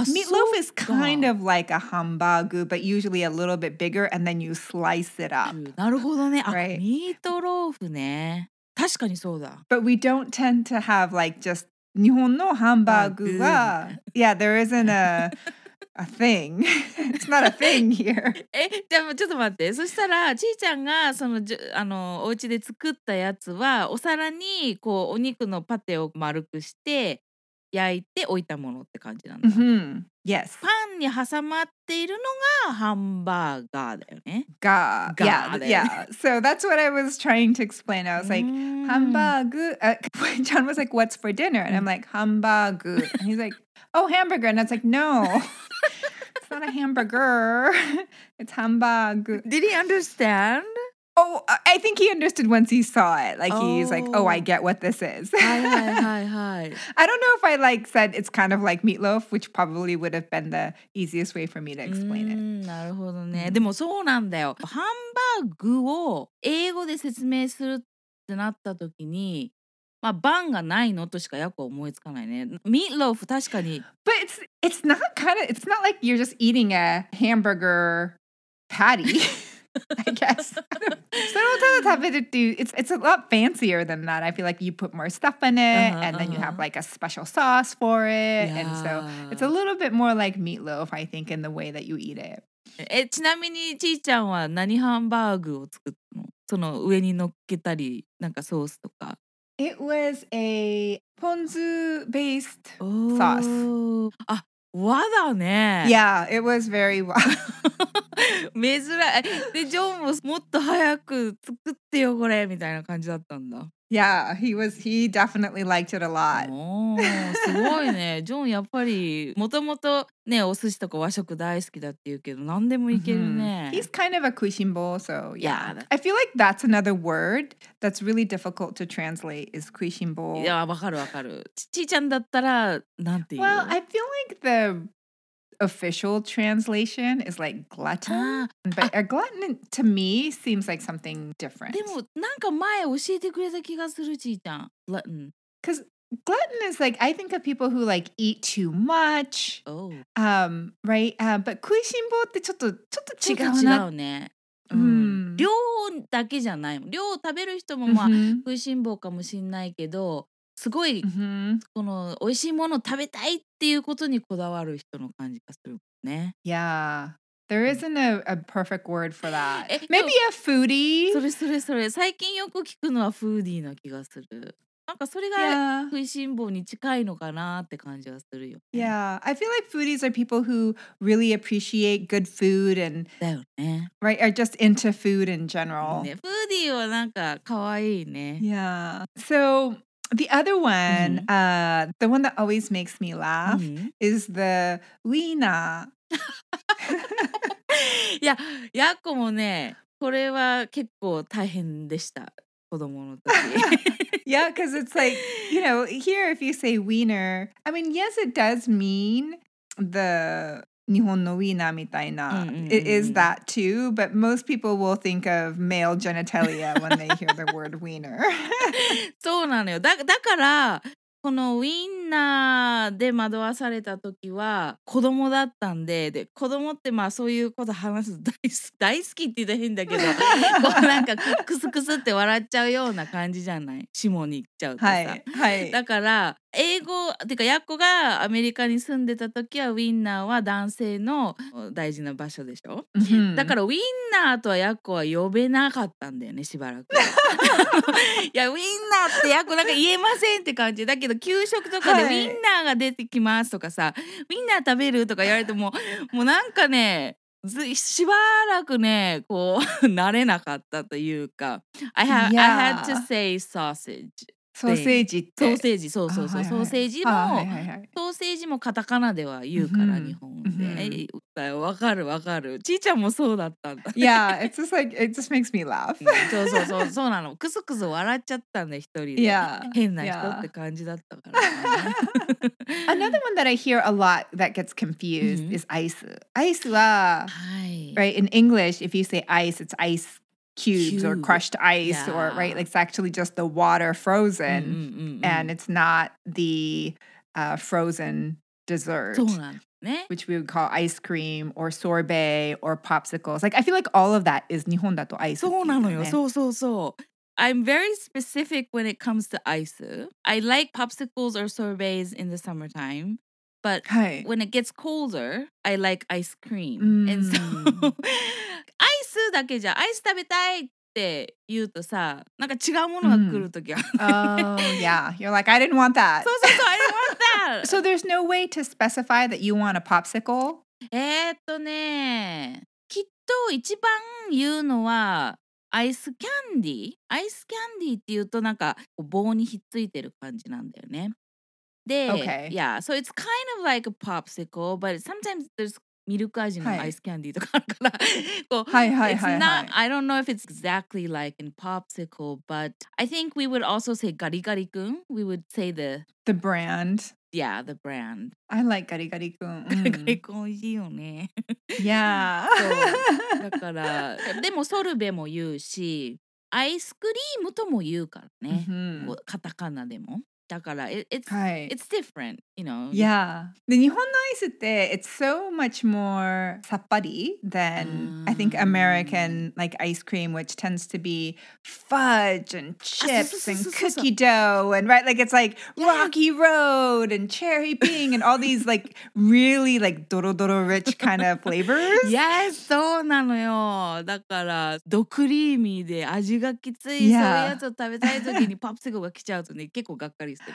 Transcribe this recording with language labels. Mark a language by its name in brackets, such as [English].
[English] like meatloaf is kind of like a hamburger, but usually a little bit bigger, and then you slice it up. [Japanese] なるほどね。あ、ミートローフね。確かにそうだ。 [English] But we don't tend to have like just [Japanese] 日本のハンバーグは、 [English] yeah, there isn't a... A thing. It's not a thing here. [Japanese] え、じゃあちょっと待って。そしたら、ちーちゃんがその、あの、お家で作ったやつは、お皿にこうお肉のパテを丸くして、焼いて置いたものって感じなんだ。 [English] Mm-hmm. Yes. [Japanese] パンに挟まっているのがハンバーガーだよね。 [English] ガー。ガー。Yeah. Yeah. So that's what I was trying to explain. I was like, ハンバーグ。John was like, what's for dinner? And I'm like, ハンバーグ。And he's like, oh, hamburger. And I was like, no. It's not a hamburger. It's hamburger. Did he understand? Oh, I think he understood once he saw it. Like, he's like, oh, I get what this is. Hi, hi, hi, hi. I don't know if I, like, said it's kind of like meatloaf, which probably would have been the easiest way for me to explain it. [Japanese] なるほどね。でもそうなんだよ。ハンバーグを英語で説明するってなった時に、まあ、バンがないのとしかやっぱ思いつかないね。ミートローフ確かに。 [English] But it's not kind of, it's not like you're just eating a hamburger patty. I guess. [Japanese] それをただ食べるっていう、 [English] it's a lot fancier than that. I feel like you put more stuff in it, uh-huh, and then you have like a special sauce for it. Yeah. And so it's a little bit more like meatloaf, I think, in the way that you eat it. [Japanese] え、ちなみにちーちゃんは何ハンバーグを作ったの? その上に乗っけたり、なんかソースとか。 [English] It was a ponzu-based sauce. [Japanese] あ、和だね。 [English] Yeah, it was very 和。 [Japanese] 珍しい。で、ジョンももっと早く作ってよこれみたいな感じだったんだ。 [English] Yeah, he definitely liked it a lot. [Japanese] おー、すごいね。ジョンやっぱりもともとね、お寿司とか和食大好きだって言うけど、何でもいけるね。 Mm-hmm. [English] He's kind of a 食いしん坊, so yeah. I feel like that's another word that's really difficult to translate is 食いしん坊. [Japanese] いや、わかるわかる。ちーちゃんだったらなんて言う? [English] Well, I feel like the official translation is like glutton. But a glutton to me seems like something different. [Japanese] でもなんか前教えてくれた気がする、ちーちゃん。 [English] Glutton. Because... Glutton is like, I think of people who like eat too much. Oh. Right? [Japanese] But 食いしん坊ってちょっと違うな。ちょっと違うね。うん。量だけじゃない。量を食べる人もまあ、mm-hmm. 食いしん坊かもしんないけど、すごい、mm-hmm. この美味しいものを食べたいっていうことにこだわる人の感じがするもんね。 [English] Yeah. There isn't a perfect word for that. Maybe a foodie? [Japanese] それそれそれ。最近よく聞くのはフーディーな気がする。なんかそれが食いしん坊に近いのかなって感じはするよ。 [English] Yeah, I feel like foodies are people who really appreciate good food and... [Japanese] だよね。 [English] Right, are just into food in general. [Japanese] フーディーはなんか可愛いね。 [English] Yeah. So... The other one, mm-hmm. The one that always makes me laugh, mm-hmm. is the wiener. [Japanese] Yeah, Yakko もね、これは結構大変でした、子供の時。 [English] Yeah, because it's like, you know, here if you say wiener, I mean, yes, it does mean the... [Japanese] 日本のウィーナーみたいな、mm-hmm. [English] It is that too, but most people will think of male genitalia when they hear the word wiener. [Japanese] そうなのよ。だからこのウィンナーで惑わされた時は子供だったん で子供ってまあそういうこと話す大好きって言ったら変だけどこうなんかクスクスって笑っちゃうような感じじゃない、下に行っちゃうとさ、はいはい、だから英語てかヤッコがアメリカに住んでた時はウィンナーは男性の大事な場所でしょ、うん、だからウィンナーとはヤッコは呼べなかったんだよねしばらくいやウィンナーってヤッコなんか言えませんって感じだけど給食とかでウィンナーが出てきますとかさ、はい、ウィンナー食べるとか言われてももうなんかねしばらくねこう慣れなかったというか [English] I had to say sausage [Japanese] ソーセージってソーセージそうそうそう、はいはい、ソーセージも、はいはいはい、ソーセージもカタカナでは言うから、うん、日本で、うん、わかるわかるちーちゃんもそうだったんだ、 [English] ね、Yeah it's just like it just makes me laugh [Japanese] そうそうそうそうなのクスクス笑っちゃったんで一人で、 [English] yeah. [Japanese] 変な人って感じだったから、ね [English] yeah. Another one that I hear a lot that gets confused、mm-hmm. is ice ice は、 [Japanese] はい、 [English] right in English if you say ice it's iceCubes or crushed ice、yeah. or right like it's actually just the water frozen、 mm, mm, mm, and it's not the、frozen dessert、 [Japanese] ね、 [English] which we would call ice cream or sorbet or popsicles like I feel like all of that is [Japanese] 日本だとアイス、ね、そうなのよそうそうそう [English] I'm very specific when it comes to ice I like popsicles or sorbets in the summertimeBut、 [Japanese] はい、 [English] when it gets colder, I like ice cream.、 Mm. [Japanese] And so, アイスだけじゃ、アイス食べたいって言うとさ、なんか違うものが来るときは。 [English] Mm. Oh, yeah. You're like, I didn't want that. [Japanese] そうそうそう、 [English] I didn't want that. So there's no way to specify that you want a popsicle? [Japanese] ね、きっと一番言うのは、アイスキャンディ。アイスキャンディって言うとなんか棒にひっついてる感じなんだよね。 [English] Okay. Yeah, so it's kind of like a popsicle, but sometimes there's milk 味の ice candy とかあるから [Japanese] こう、はいはいはいはい、 [English] it's not, I don't know if it's exactly like in popsicle, but I think we would also say ガリガリ君. We would say the brand. Yeah, the brand. I like ガリガリ君. [Japanese] ガリガリ君美味しいよね。 [English] Yeah. [Japanese] だから、でもソルベも言うし、アイスクリームとも言うからね。 Mm-hmm. カタカナでも。だから [English] it's,、はい、 it's different, you know. Yeah. [Japanese] で日本のアイスって [English] it's so much more さっぱり than I think American like ice cream, which tends to be fudge and chips and cookie dough and right, like it's like rocky road and cherry pink and all these like really like ドロドロ rich kind of flavors. [Japanese] Yes, そうなのよ。だからドクリーミーで味がきつい、 [English] yeah. [Japanese] そういうやつを食べたい時にパプシコが来ちゃうとね結構がっかり。